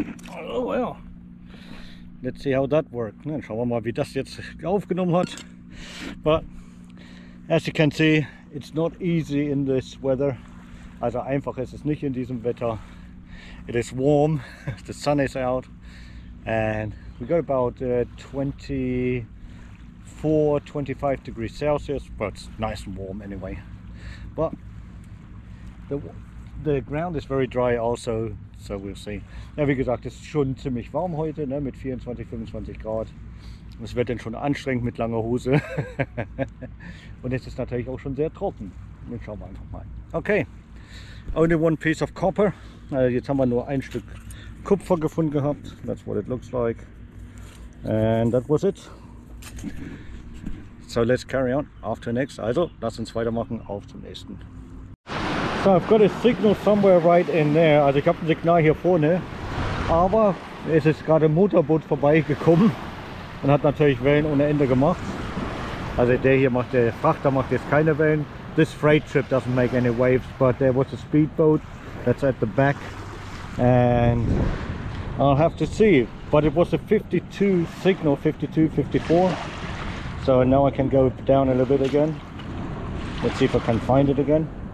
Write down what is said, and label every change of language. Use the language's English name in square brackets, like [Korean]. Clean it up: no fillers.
[English] Oh well. Let's see how that worked. [German] Dann schauen wir mal, wie das jetzt aufgenommen hat. [English] But as you can see, it's not easy in this weather. [German] Also einfach ist es nicht in diesem Wetter. [English] It is warm, the sun is out, and we got about 24-25 degrees Celsius, but it's nice and warm anyway. But the ground is very dry also. So we'll see. [German] Ja, wie gesagt, es ist schon ziemlich warm heute, ne, mit 24, 25 Grad. Es wird dann schon anstrengend mit langer Hose. Und es ist natürlich auch schon sehr trocken. Dann schauen wir einfach mal. [English] Okay, only one piece of copper. [German] Also jetzt haben wir nur ein Stück Kupfer gefunden gehabt. [English] That's what it looks like. And that was it. So let's carry on. [German] Auf zum nächsten. Also, lass uns weitermachen. Auf zum nächsten. [English] So, I've got a signal somewhere right in there. [German] Also ich habe ein Signal hier vorne, aber es ist gerade ein Motorboot vorbeigekommen und hat natürlich Wellen ohne Ende gemacht. Also der hier macht, der Frachter macht jetzt keine Wellen. [English] This freight ship doesn't make any waves, but there was a speedboat that's at the back. And I'll have to see, but it was a 52 signal, 52, 54. So now I can go down a little bit again. Let's see if I can find it again.